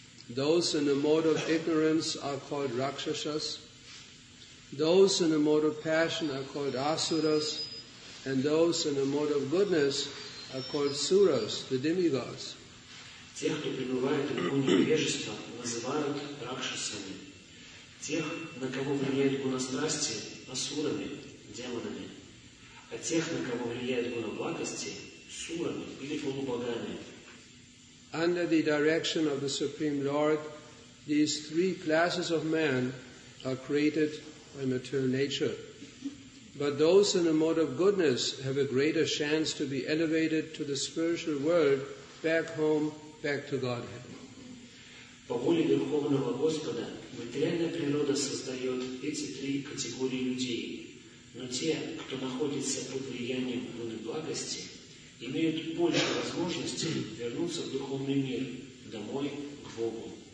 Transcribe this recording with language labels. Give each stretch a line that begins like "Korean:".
English: Those in the mode of ignorance are called Rakshasas. Those in the mode of passion are called Asuras. And those in the mode of goodness are called suras, the demigods.
Russian: Тех, кто пребывает в гуне невежества, называют ракшасами. Тех, на кого влияет гуна страсти, асурами, демонами. А тех, на кого влияет гуна благости, сурами или полубогами.
English: Under the direction of the Supreme Lord, these three classes of man are created by material nature. But those in a mode of goodness have a greater chance to be elevated to the spiritual world, back home, back to Godhead.
Russian: По воле Верховного Господа, материальная природа создает эти три категории людей. Но те, кто находится под влиянием гуны благости, имеют больше возможностей вернуться в духовный мир, домой, к Богу.